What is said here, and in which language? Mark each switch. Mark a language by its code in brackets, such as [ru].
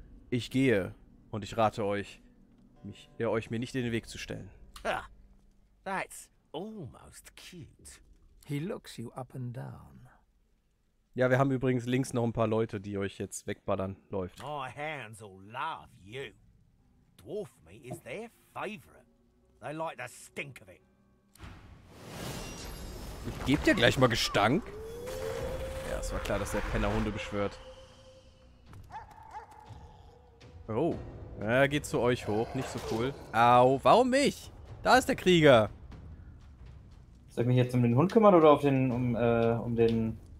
[de] Ich gehe und ich rate euch, euch mir nicht in den Weg zu stellen. [en] That's almost cute. He looks you up and down. [de] Ja, wir haben übrigens links noch ein paar Leute, die euch jetzt wegballern, läuft. [en] My hands all love you. Dwarf meat is their favorite. They like the stink of it. [de] Ich geb dir gleich mal Gestank. Ja, es war klar, dass der Penner Hunde beschwört. Oh, er geht zu euch hoch, nicht so cool. Au, warum mich? Da ist der Krieger. Soll ich mich jetzt um den Hund kümmern oder auf den, um den...